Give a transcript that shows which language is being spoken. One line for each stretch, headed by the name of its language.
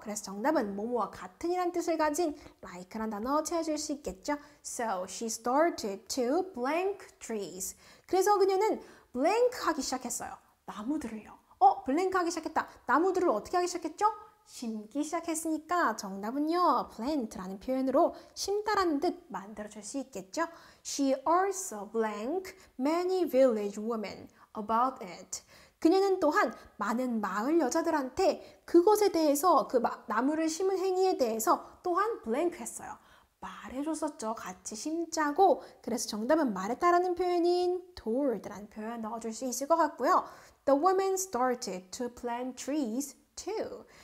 Korean: 그래서 정답은 뭐뭐와 같은 이란 뜻을 가진 like란 단어 채워줄 수 있겠죠.
English: So she started to blank trees.
Korean: 그래서 그녀는 블랭크 하기 시작했어요. 나무들을요. 블랭크 하기 시작했다. 나무들을 어떻게 하기 시작했죠? 심기 시작했으니까 정답은요. plant라는 표현으로 심다라는 뜻 만들어줄 수 있겠죠?
English: She also blank many village women about it.
Korean: 그녀는 또한 많은 마을 여자들한테 그것에 대해서 그 나무를 심은 행위에 대해서 또한 블랭크 했어요. 말해줬었죠. 같이 심자고. 그래서 정답은 말했다라는 표현인 told라는 표현 넣어줄 수 있을 것 같고요.
English: The women started to plant trees too.